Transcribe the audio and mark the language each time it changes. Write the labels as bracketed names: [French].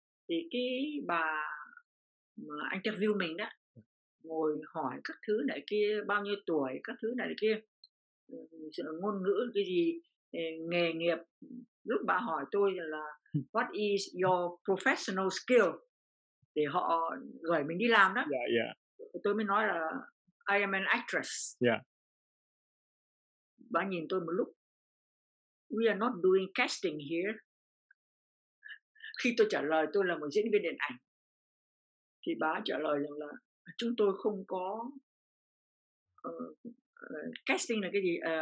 [Vietnamese] Thì cái bà mà interview mình đó ngồi hỏi các thứ này kia, bao nhiêu tuổi, các thứ này kia, ngôn ngữ cái gì, nghề nghiệp. Lúc bà hỏi tôi là [English] what is your professional skill, [Vietnamese] thì họ gửi mình đi làm đó. Yeah, yeah. Tôi mới nói là [English] I am an actress. Yeah. [Vietnamese] Bà nhìn tôi một lúc. [English] We are not doing casting here. [Vietnamese] Khi tôi trả lời tôi là một diễn viên điện ảnh, thì bà trả lời rằng là chúng tôi không có casting là cái gì?